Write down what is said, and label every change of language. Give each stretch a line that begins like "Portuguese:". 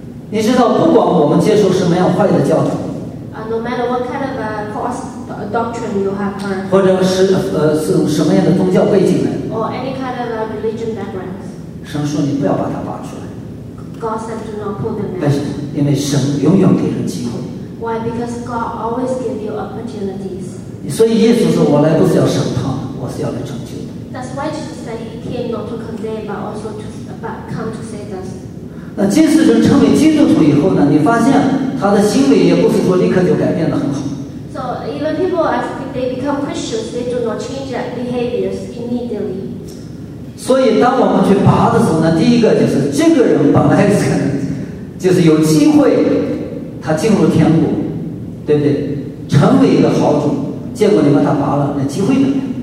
Chinese: 你知道，不管我们接受什么样坏的教导，
English: no matter what kind of false doctrine you have heard,
Chinese: 或者是是什么样的宗教背景呢？
English: Or any kind of religion background.
Chinese: 神说你不要把它拔出来。
English: God said, do not pull them out.
Chinese: 为什么？因为神永远给人机会。
English: Why? Because God always gives you opportunities.
Chinese: 所以耶稣说，我来不是要审判，我是要来拯救。
English: That's why Jesus said he came not to condemn, but also to come to save us.
Chinese: 那即使人成为基督徒以后呢，你发现他的行为也不是说立刻就改变的很好。
English: So even people after they become Christians, they do not change their behaviors immediately.
Chinese: 所以当我们去拔的时候呢，第一个就是这个人本来是就是有机会他进入天国，对不对？成为一个好主，结果你把他拔了，那机会怎么样？